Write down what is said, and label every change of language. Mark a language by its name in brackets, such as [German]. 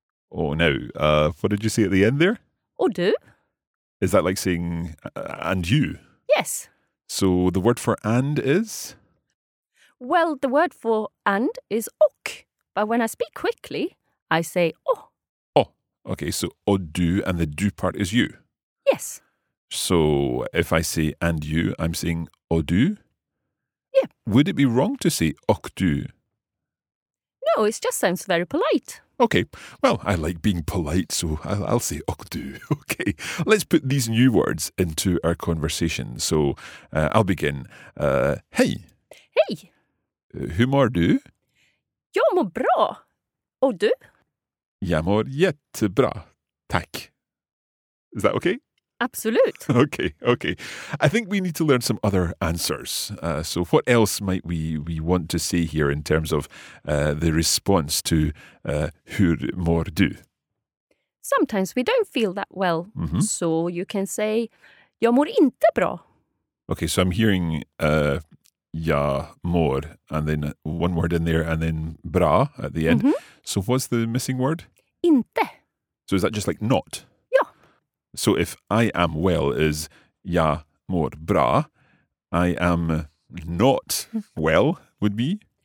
[English] Oh, now, what did you say at the end there? [Swedish] Och du? [English] Is that like saying, and you? Yes. So the word for and is? Well, the word for and is och. But when I speak quickly, I say oh. Oh, okay, so [Swedish] och du, [English] and the du part is you. Yes. So if I say and you, I'm saying [Swedish] och du? [English] Yeah. Would it be wrong to say [Swedish] och du? [English] No, it just sounds very polite. Okay. Well, I like being polite, so I'll say [Swedish] och du. [English] Okay. Let's put these new words into our conversation. So I'll begin. Hey. Hey. [Swedish] Hur mår du? Jag mår bra. Och du? Jag mår jättebra. Tack. [English] Is that okay? [Swedish] Absolute. [English] Okay, okay. I think we need to learn some other answers. So what else might we want to say here in terms of the response to [Swedish] hur mår du? [English] Sometimes we don't feel that well. Mm-hmm. So you can say [Swedish] jag mår inte bra. [English] Okay, so I'm hearing [Swedish] jag mår [English] and then one word in there and then [Swedish] bra [English] at the end. Mm-hmm. So what's the missing word? [Swedish] Inte. [English] So is that just like not? So if I am well is [Swedish] jag mår bra, [English] I am not well would be?